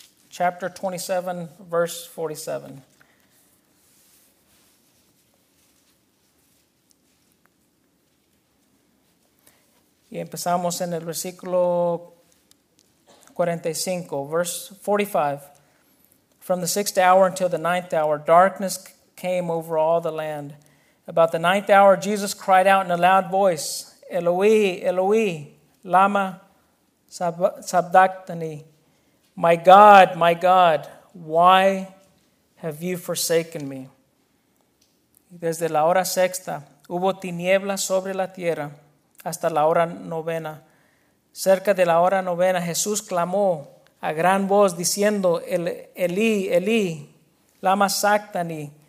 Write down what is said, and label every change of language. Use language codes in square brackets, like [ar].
[en] Chapter 27, verse 47. [es] Y empezamos en el versículo 45, [en] verse 45. From the sixth hour until the ninth hour, darkness came over all the land. About the ninth hour, Jesus cried out in a loud voice, Eloi, Eloi, lama sabachthani. My God, why have you forsaken me? [es] Desde la hora sexta, hubo tinieblas sobre la tierra hasta la hora novena. Cerca de la hora novena, Jesús clamó a gran voz diciendo, Eli, Eli, lama sabachthani.